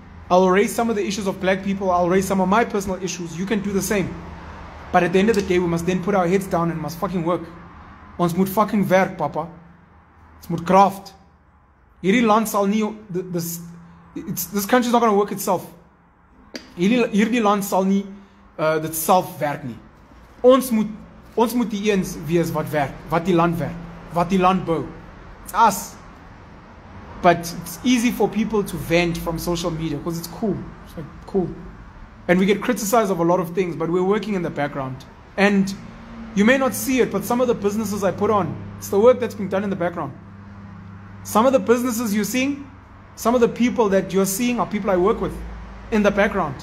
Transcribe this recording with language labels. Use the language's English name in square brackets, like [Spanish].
[English] I'll raise some of the issues of black people. I'll raise some of my personal issues. You can do the same. But at the end of the day, we must then put our heads down and must fucking work. [Afrikaans] Ons moet fucking werk, papa. Ons moet kraft. Hierdie land sal nie, [English] this country is not going to work itself. [Afrikaans] Hierdie land sal nie, dit self werk nie. Ons moet die eens wees wat werk, wat die land werk, wat die land bou. [English] It's us. But it's easy for people to vent from social media because it's cool. It's like cool. And we get criticized of a lot of things, but we're working in the background. And you may not see it, but some of the businesses I put on, it's the work that's been done in the background. Some of the businesses you're seeing, some of the people that you're seeing are people I work with in the background.